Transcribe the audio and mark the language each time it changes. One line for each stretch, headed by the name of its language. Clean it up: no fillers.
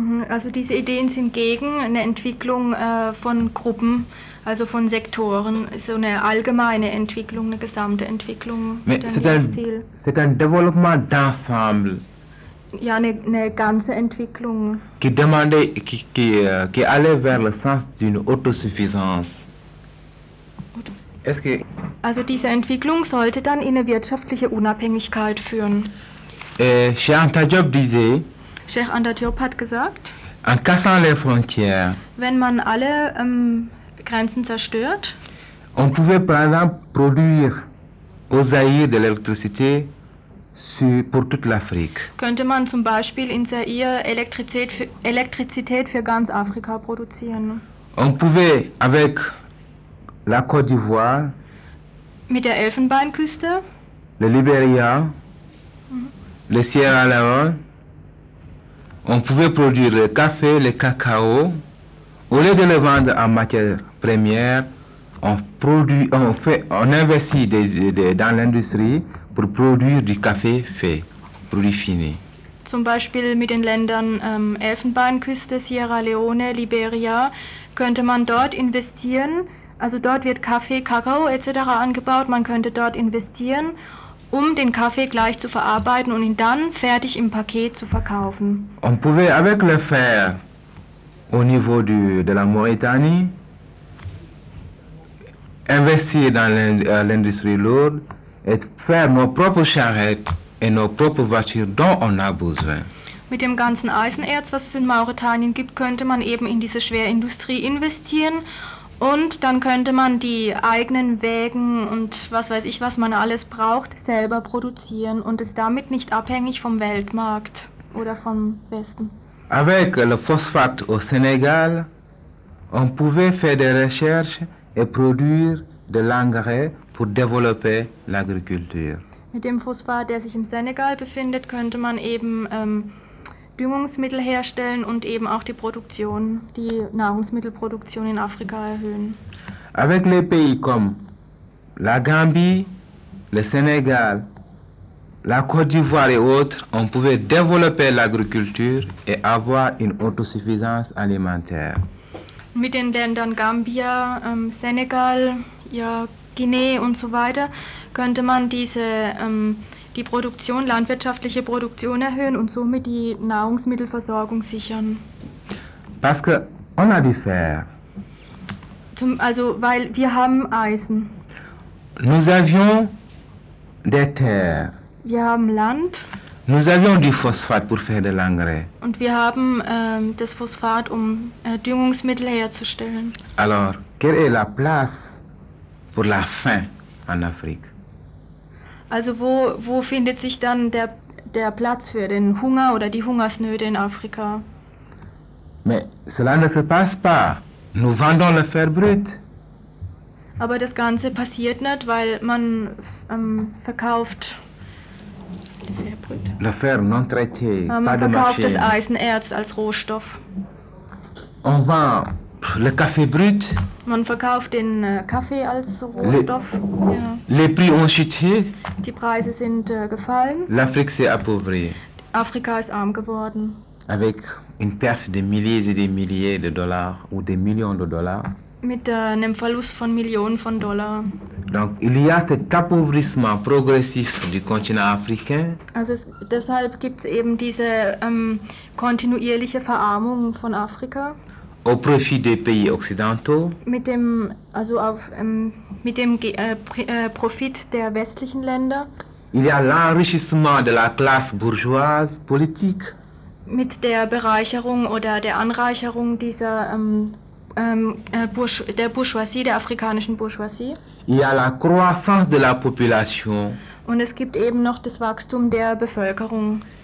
German: Also diese Ideen sind gegen eine Entwicklung von Gruppen, also von Sektoren, so eine allgemeine Entwicklung, eine gesamte Entwicklung.
French: C'est un développement d'ensemble.
German: Ja, eine ganze Entwicklung.
French: Qui demandait, qui allait vers le sens d'une autosuffisance.
German: Also diese Entwicklung sollte dann in eine wirtschaftliche Unabhängigkeit führen.
French: Cheikh Anta Diop disait,
German: Cheikh Anta Diop hat gesagt,
French: en cassant les frontières,
German: wenn man alle Grenzen zerstört,
French: on pouvait par exemple produire au Zaïre de l'électricité pour toute l'Afrique.
German: Könnte man zum Beispiel in Zaïre Elektrizität für ganz Afrika produzieren.
French: On pouvait avec la Côte d'Ivoire,
German: mit der Elfenbeinküste,
French: le Liberia, le Sierra Leone, on pouvait produire le café, le cacao. Au lieu de le vendre en matière première, on investit dans l'industrie pour produire du café fait, produit fini.
German: Zum Beispiel mit den Ländern Elfenbeinküste, Sierra Leone, Liberia, könnte man dort investieren. Also dort wird Kaffee, Kakao etc. angebaut. Man könnte dort investieren, um den Kaffee gleich zu verarbeiten und ihn dann fertig im Paket zu verkaufen.
French: On pouvait avec le fer au niveau de la Mauritanie investir dans l'industrie lourde et faire nos propres charrettes et nos propres voitures dont on a besoin.
German: Mit dem ganzen Eisenerz, was es in Mauretanien gibt, könnte man eben in diese Schwerindustrie investieren. Und dann könnte man die eigenen Wägen und was weiß ich, was man alles braucht, selber produzieren und ist damit nicht abhängig vom Weltmarkt oder vom Westen.
French: Avec le phosphate au Sénégal, on pouvait faire des recherches et produire de l'engrais pour développer l'agriculture.
German: Mit dem Phosphat, der sich im Senegal befindet, könnte man eben Düngungsmittel herstellen und eben auch die Produktion, die Nahrungsmittelproduktion in Afrika erhöhen.
French: Avec les pays comme la Gambie, le Sénégal, la Côte d'Ivoire et autres, on pouvait développer l'agriculture et avoir une autosuffisance alimentaire.
German: Mit den Ländern Gambia, Senegal, ja, Guinée und so weiter, könnte man diese, die Produktion, landwirtschaftliche Produktion erhöhen und somit die Nahrungsmittelversorgung sichern.
French: Parce que on a du fer.
German: Also, weil wir haben Eisen.
French: Nous avions des terres.
German: Wir haben Land.
French: Nous avions du phosphate pour faire de l'engrais.
German: Und wir haben das Phosphat, um Düngungsmittel herzustellen.
French: Alors, quelle est la place pour la faim en Afrique?
German: Also, wo findet sich dann der Platz für den Hunger oder die Hungersnöte in Afrika?
French: Mais cela ne se passe pas. Nous vendons le fer brut.
German: Aber das Ganze passiert nicht, weil man verkauft
French: le fer non traité,
German: man
French: pas
German: verkauft
French: de machine.
German: Das Eisenerz als Rohstoff.
French: On vend le café brut.
German: Man verkauft den Kaffee als Rohstoff.
French: Les prix ont chuté.
German: Die Preise sind gefallen.
French: L'Afrique s'est appauvrie.
German: Afrika ist arm geworden.
French: Avec une perte de milliers et des milliers de dollars ou des millions de dollars.
German: Mit einem Verlust von Millionen von Dollar.
French: Donc, il y a cet appauvrissement progressif du continent africain.
German: Also deshalb gibt es eben diese kontinuierliche Verarmung von Afrika.
French: Au profit des pays occidentaux.
German: Mit dem, also auf, mit dem Profit der westlichen Länder.
French: Il y a l'enrichissement de la classe bourgeoise politique.
German: Mit der Bereicherung oder der Anreicherung dieser der Bourgeoisie, der afrikanischen Bourgeoisie.
French: Il y a la croissance de la population.
German: Und es gibt eben noch das Wachstum der Bevölkerung.